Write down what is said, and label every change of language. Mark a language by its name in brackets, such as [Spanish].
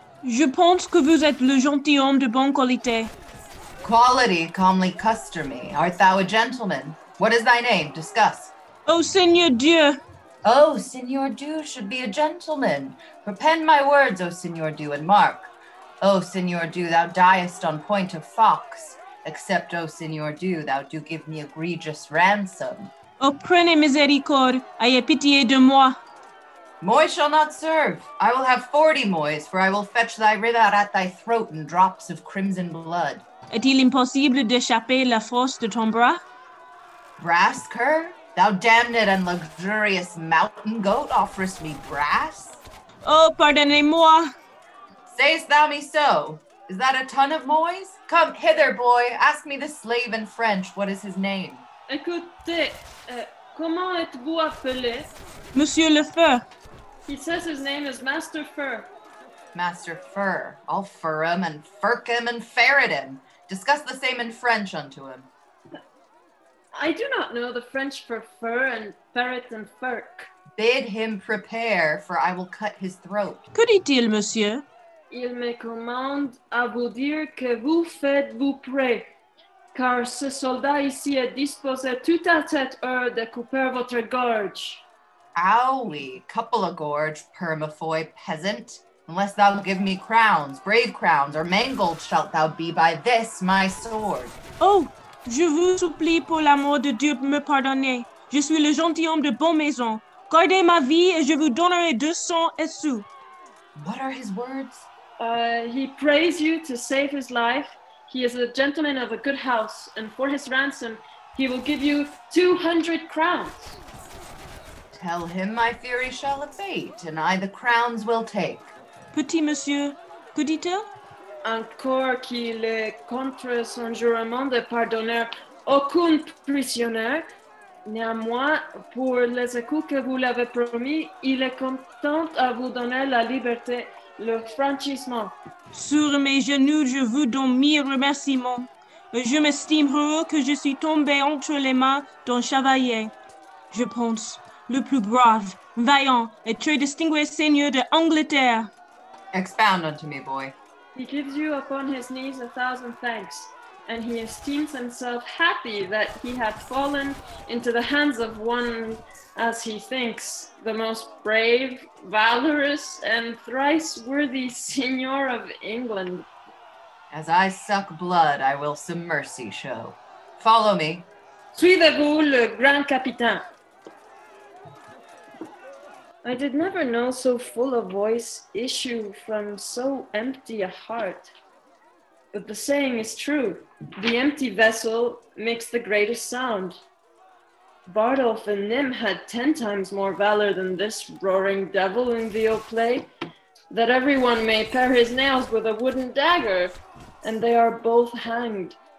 [French] Je pense que vous êtes le gentilhomme de bonne qualité. [English] Quality calmly custer me. Art thou a gentleman? What is thy name? Discuss. [French] Oh, Seigneur Dieu [English] should be a gentleman. Prepend my words, O [French] Seigneur Dieu, [English] and mark. O [French] Seigneur Dieu, [English] thou diest on point of fox. Except, O Seigneur Dieu, thou do give me egregious ransom. [French] O prenez miséricorde, ayez pitié de moi. [English] Moy shall not serve. I will have 40 moys, for I will fetch thy rivard at thy throat in drops of crimson blood. [French] Est-il impossible d'échapper la force de ton bras? [English] Brass, cur? Thou damned and luxurious mountain goat offerest me brass? [French] Oh, pardonnez-moi. [English] Sayest thou me so? Is that a ton of moys? Come hither, boy. Ask me the slave in French. What is his name? [French] Écoutez, comment êtes-vous appelé? Monsieur le Feu. [English] He says his name is Master Fur. Master Fur. I'll fur him and furk him and ferret him. Discuss the same in French unto him. I do not know the French for fur and ferret and furk. Bid him prepare, for I will cut his throat. [French] Que dit-il, monsieur? Il me commande à vous dire que vous faites vous prêt, car ce soldat ici est disposé tout à cette heure de couper votre gorge. [English] Owie, [French] couple a gorge, [English] permafoy peasant, unless thou give me crowns, brave crowns, or mangled shalt thou be by this my sword. [French] Oh, je vous supplie pour l'amour de Dieu me pardonner. Je suis le gentilhomme de bonne maison. Gardez ma vie et je vous donnerai 200 sous. [English] What are his words? He prays you to save his life. He is a gentleman of a good house, and for his ransom, he will give you 200 crowns. Tell him my fury shall abate, and I the crowns will take. [French] Petit monsieur, que dit-il? Encore qu'il est contre son jurement de pardonner aucun prisonnier. Néanmoins, pour les écoutes que vous l'avez promis, il est content à vous donner la liberté. Le franchissement. Sur mes genoux, je vous donne mes remerciements. Je m'estime heureux que je suis tombé entre les mains d'un chevalier. Je pense, le plus brave, vaillant et très distingué seigneur d'Angleterre. [English] Expound unto me, boy. He gives you upon his knees 1,000 thanks, and he esteems himself happy that he hath fallen into the hands of one, as he thinks, the most brave, valorous, and thrice worthy signor of England. As I suck blood, I will some mercy show. Follow me. [French] Suivez-vous le grand capitaine. [English] I did never know so full a voice issue from so empty a heart. But the saying is true. The empty vessel makes the greatest sound. Bardolph and Nim had 10 times more valor than this roaring devil in the old play, that everyone may pare his nails with a wooden dagger, and they are both hanged.